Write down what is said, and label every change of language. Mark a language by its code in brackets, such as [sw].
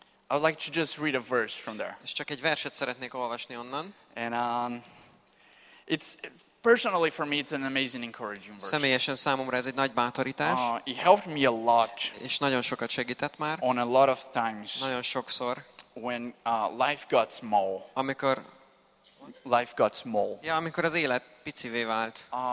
[en] I would like to just read a verse from there. [hu] És csak egy verset szeretnék olvasni onnan. [en] And it's personally for me it's an amazing encouraging verse. [hu] Személyesen számomra ez egy nagy bátorítás. [en] It helped me a lot. [hu] És nagyon sokat segített már. [en] On a lot of times. [hu] Nagyon sokszor. [en] When life got small. [hu] Amikor [en] life got small. [hu] Ja, amikor az élet picivé vált.